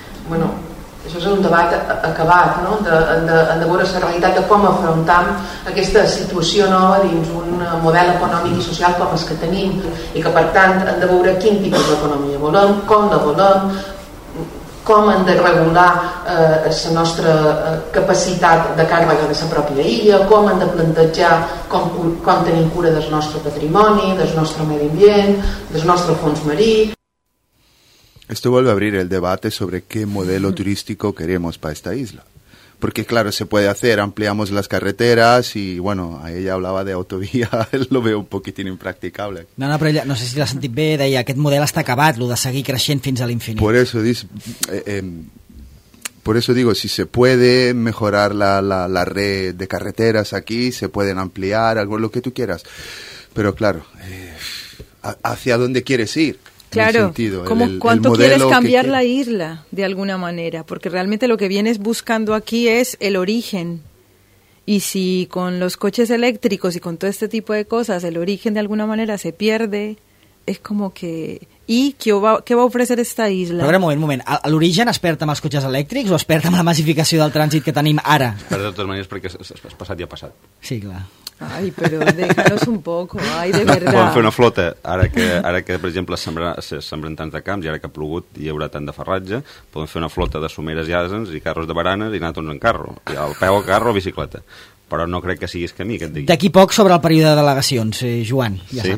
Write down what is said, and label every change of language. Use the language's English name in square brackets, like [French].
[Catalan] Bueno, això és un debat acabat, no? de veure la realitat de com afrontam aquesta situació nova dins un model econòmic i social com els que tenim i que per tant hem de veure quin tipus d'economia volem, com la volem, com hem de regular la nostra capacitat de càrrega de la pròpia illa, com hem de plantejar com tenim cura del nostre patrimoni, del nostre medi ambient, del nostre fons marí. [Spanish] Esto vuelve a abrir el debate sobre qué modelo turístico queremos para esta isla. Porque, claro, se puede hacer, ampliamos las carreteras y, bueno, ella hablaba de autovía, lo veo un poquitín impracticable. [Catalan] No, no, [Spanish] pero ella, no sé si [Catalan] la sentí bé, deia, aquest model està acabat, lo de seguir creixent fins a l'infinit. [Spanish] Por eso digo, si se puede mejorar la red de carreteras aquí, se pueden ampliar, algo, lo que tú quieras. Pero, claro, ¿hacia dónde quieres ir? Claro, sentido, como cuánto quieres cambiar la isla de alguna manera, porque realmente lo que vienes buscando aquí es el origen. Y si con los coches eléctricos y con todo este tipo de cosas el origen de alguna manera se pierde, es como que ¿y qué va a ofrecer esta isla? [Catalan] Però, un moment, l'origen es perd amb els cotxes elèctrics o es perd amb la massificació del trànsit que tenim ara? Però de totes maneres perquè és passat i ha passat. Sí, clar. [Spanish] Ay, pero déjanos un poco, ay, de verdad. [Catalan] Podem fer una flota, ara que per exemple, sembren tants de camps i ara que ha plogut i hi haurà tant de farratge, podem fer una flota de someres i asens i carros de baranes i anar tots en carro, i al peu a carro o bicicleta. Però no crec que siguis camí, que et digui. D'aquí poc sobre el període de delegacions, Joan, ja sí?